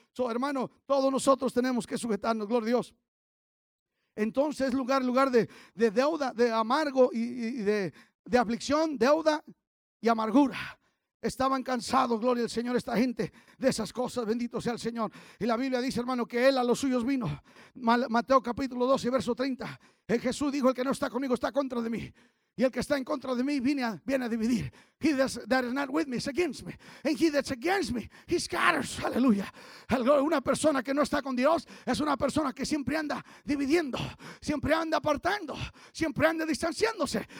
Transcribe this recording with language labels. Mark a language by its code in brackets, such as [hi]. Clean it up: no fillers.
[es] So, hermano, todos nosotros tenemos que sujetarnos, gloria a Dios. Entonces, lugar de deuda, de amargo y de aflicción, deuda y amargura. Estaban cansados, gloria al Señor, esta gente de esas cosas, bendito sea el Señor. Y la Biblia dice, hermano, que Él a los suyos vino. Mateo capítulo 12, verso 30. El Jesús dijo, el que no está conmigo está contra de mí. Y el que está en contra de mí viene a dividir. [en] He that is not with me is against me. And he that's against me, he scatters. Hallelujah. [es] Una persona que no está con Dios es una persona que siempre anda dividiendo, siempre anda apartando, siempre anda distanciándose.